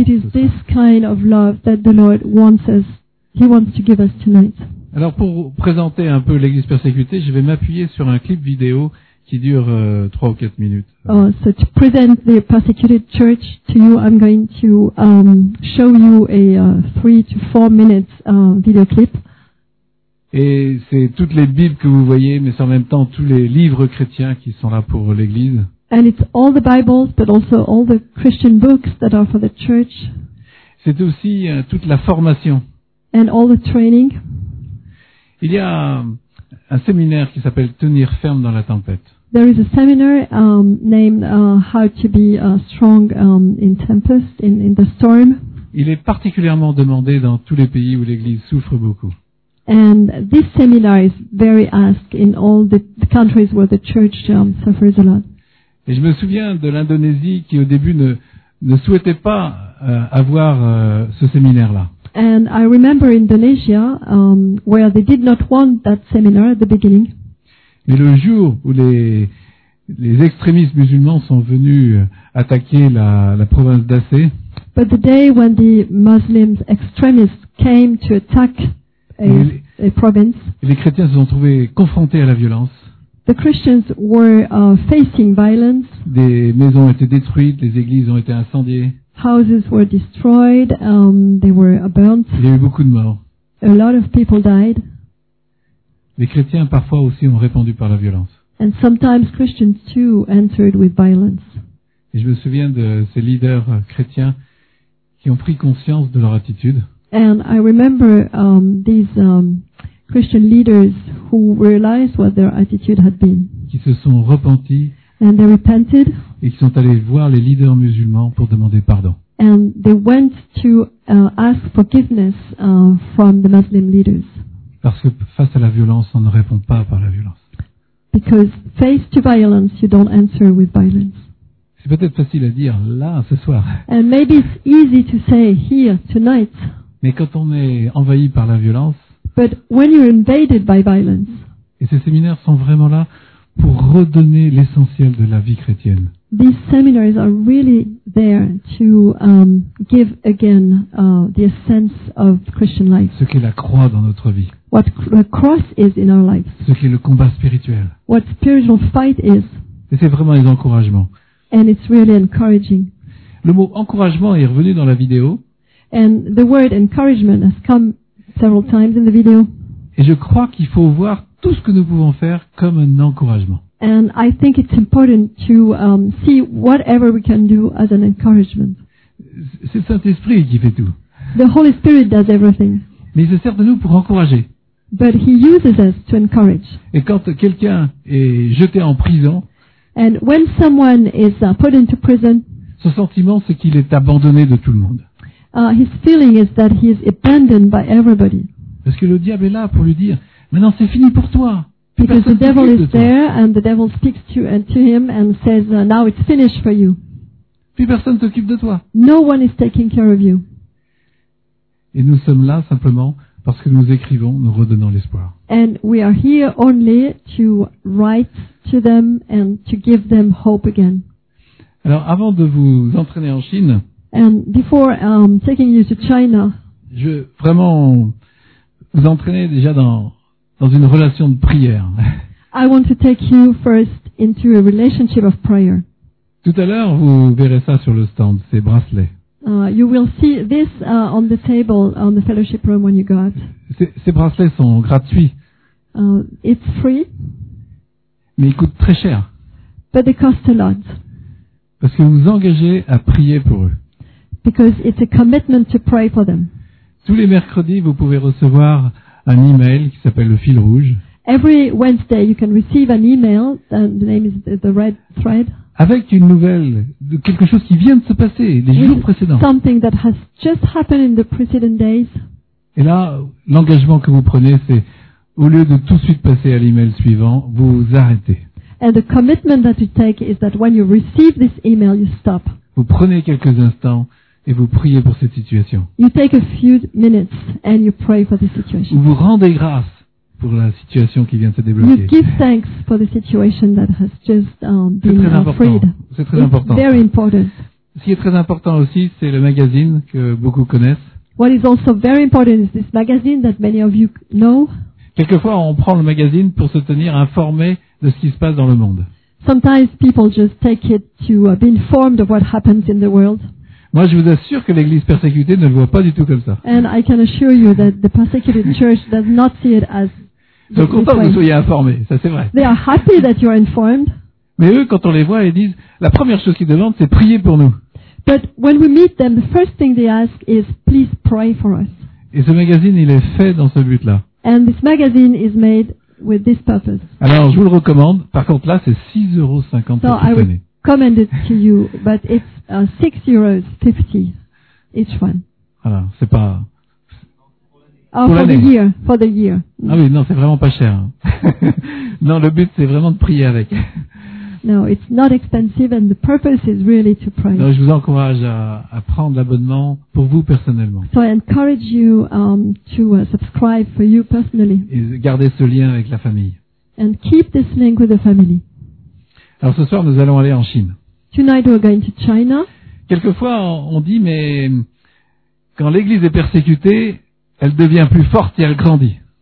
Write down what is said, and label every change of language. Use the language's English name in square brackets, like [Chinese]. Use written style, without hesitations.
[English] And it is this kind of love that the Lord wants us. He wants to give us tonight. [French] Alors pour présenter un peu l'Église persécutée, je vais m'appuyer sur un clip vidéo qui dure 3 ou 4 minutes. [English] So to present the persecuted church to you, I'm going to show you a 3 to 4 minutes video clip. [French] Et c'est toutes les Bibles que vous voyez, mais c'est en même temps tous les livres chrétiens qui sont là pour l'Église. [English] And it's all the Bibles, but also all the Christian books that are for the church. [French] C'est aussi toute la formation. [English] And all the training. [French] Il y a un séminaire qui s'appelle Tenir ferme dans la tempête. [English] There is a seminar named How to be strong in tempest in the storm. [French] Il est particulièrement demandé dans tous les pays où l'Église souffre beaucoup. [English] And this seminar is very asked in all the countries where the church suffers a lot. [French] Et je me souviens de l'Indonésie qui au début ne souhaitait pas avoir ce séminaire là. [English] And I remember Indonesia, where they did not want that seminar at the beginning. [French] Mais le jour où les extrémistes musulmans sont venus attaquer la province d'Aceh. [English] But the day when the Muslims extremists came to attack a province. [French] Les chrétiens se sont trouvés confrontés à la violence. [English] The Christians were facing violence. [French] Des maisons ont été détruites, les églises ont été incendiées. [English] Houses were destroyed, they were burnt. [French] Il y a eu beaucoup de morts. [English] A lot of people died. [French] Les chrétiens parfois aussi ont répondu par la violence. [English] And sometimes Christians too answered with violence. [French] Et je me souviens de ces leaders chrétiens qui ont pris conscience de leur attitude. [English] And I remember these Christian leaders who realized what their attitude had been. [French] Qui se sont repentis. [English] And they repented. [French] Et ils sont allés voir les leaders musulmans pour demander pardon. [English] And they went to ask forgiveness from the Muslim leaders. [French] Parce que face à la violence, on ne répond pas par la violence. [English] Because face to violence, you don't answer with violence. [French] C'est peut-être facile à dire là, ce soir. [English] And maybe it's easy to say here tonight. [French] Mais quand on est envahi par la violence. [English] But when you're invaded by violence. [French] Et ces séminaires sont vraiment là pour redonner l'essentiel de la vie chrétienne. [English] These seminars are really there to give again the essence of Christian life. [French] Ce qu'est la croix dans notre vie. [English] What the cross is in our lives. [French] Ce qu'est le combat spirituel. [English] What spiritual fight is. [French] Et c'est vraiment des encouragements. [English] And it's really encouraging. [French] Le mot encouragement est revenu dans la vidéo. [English] And the word encouragement has come several times in the video. [French] Et je crois qu'il faut voir tout ce que nous pouvons faire comme un encouragement. [English] And I think it's important to see whatever we can do as an encouragement. [French] C'est le Saint-Esprit qui fait tout. [English] The Holy Spirit does everything. [French] Mais il se sert de nous pour encourager. [English] But he uses us to encourage. [French] Et quand quelqu'un est jeté en prison, [English] and when someone is put into prison, [French] son sentiment c'est qu'il est abandonné de tout le monde. [English] His feeling is that he is abandoned by everybody. [French] Parce que le diable est là pour lui dire maintenant c'est fini pour toi. [English] Because the devil is there and the devil speaks to him and says now it's finished for you. [French] Puis personne s'occupe de toi. [English] No one is taking care of you. [French] Et nous sommes là simplement parce que nous écrivons, nous redonnons l'espoir. [English] And we are here only to write to them and to give them hope again. [French] Alors avant de vous entraîner en Chine. [English] And before taking you to China. [French] Je veux vraiment vous entraîner déjà dans une relation de prière. [English] I want to take you first into a relationship of prayer. [French] Tout à l'heure, vous verrez ça sur le stand, ces bracelets. [English] You will see this on the table on the fellowship room when you go out. [French] Ces bracelets sont gratuits. [English] It's free. [French] Mais ils coûtent très cher. [English] But they cost a lot. [French] Parce que vous vous engagez à prier pour eux. [English] Because it's a commitment to pray for them. [French] Tous les mercredis, vous pouvez recevoir un email qui s'appelle le fil rouge. [English] Every Wednesday, you can receive an email. The name is the red thread. [French] Avec une nouvelle, quelque chose qui vient de se passer les jours précédents. [English] Something that has just happened in the preceding days. [French] Et là, l'engagement que vous prenez, c'est au lieu de tout de suite passer à l'email suivant, vous arrêtez. [English] And the commitment that you take is that when you receive this email, you stop. [French] Vous prenez quelques instants et vous priez pour cette situation. [English] You take a few minutes and you pray for this situation. [French] Ou vous rendez grâce pour la situation qui vient de se débloquer. [English] You give thanks for the situation that has just been freed. [French] C'est très important. [English] It's very important. [French] Ce qui est très important aussi, c'est le magazine que beaucoup connaissent. [English] What is also very important is this magazine that many of you know. [French] Quelquefois, on prend le magazine pour se tenir informé de ce qui se passe dans le monde. [English] Sometimes people just take it to be informed of what happens in the world. [French] Moi, je vous assure que l'église persécutée ne le voit pas du tout comme ça. [English] And I can assure you that the persecuted church does not see it as. [French] Ils sont contents que vous soyez informés, ça c'est vrai. [English] They are happy that you are informed. [French] Mais eux, quand on les voit, ils disent la première chose qu'ils demandent, c'est prier pour nous. [English] But when we meet them, the first thing they ask is please pray for us. [French] Et ce magazine, il est fait dans ce but-là. [English] And this magazine is made with this purpose. [French] Alors, je vous le recommande. Par contre, là, c'est 6,50 euros pour chaque année. [English] So I recommend it to you, but it's 6,50 each one. [French] Voilà, c'est pas. Oh, pour l'année. [English] For the year. [French] Ah oui, non, c'est vraiment pas cher. Non, le but, c'est vraiment de prier avec. [English] No, it's not expensive, and the purpose is really to pray. [French] Donc, je vous encourage à prendre l'abonnement pour vous personnellement. [English] So I encourage you to subscribe for you personally. [French] Et garder ce lien avec la famille. [English] And keep this link with the family. [French] Alors, ce soir, nous allons aller en Chine. [English] Tonight we're going to China. [French] Quelquefois, on dit, mais quand l'Église est persécutée, elle devient plus forte et elle grandit.